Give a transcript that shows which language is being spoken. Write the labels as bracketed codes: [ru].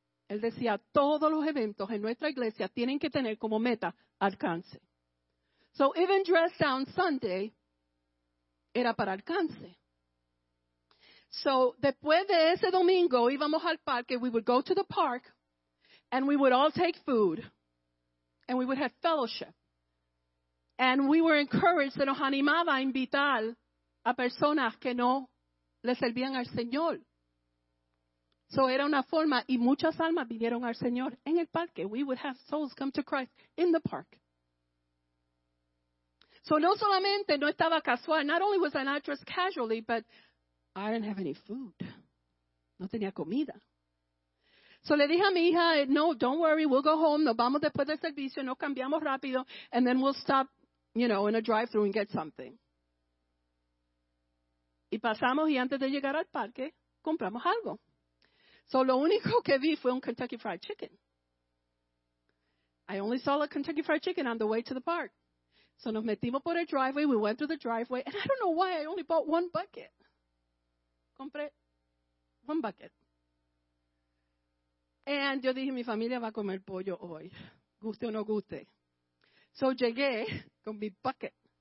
[es] Él decía, todos los eventos en nuestra iglesia tienen que tener como meta alcance. [en] So even dress down Sunday [es] era para alcance. So después de ese domingo íbamos al parque. [en] We would go to the park. And we would all take food, and we would have fellowship. And we were encouraged, [es] se nos animaba a invitar a personas que no le servían al Señor. So era una forma, y muchas almas vinieron al Señor en el parque. [en] We would have souls come to Christ in the park. So [es] no solamente no estaba casual, [en] not only was I not dressed casually, but I didn't have any food. [es] No tenía comida. So le dije a mi hija, no, [en] don't worry, we'll go home. [es] Nos vamos después del servicio, nos cambiamos rápido, [en] and then we'll stop, you know, in a drive-thru and get something. [es] Y pasamos, y antes de llegar al parque, compramos algo. So lo único que vi fue un Kentucky Fried Chicken. [en] I only saw a Kentucky Fried Chicken on the way to the park. So [es] nos metimos por el driveway, [en] we went through the driveway, and I don't know why I only bought one bucket. [es] Compré [en] one bucket. [es] And yo dije, mi familia va a comer pollo hoy, guste o no guste. So llegué con mi bucket.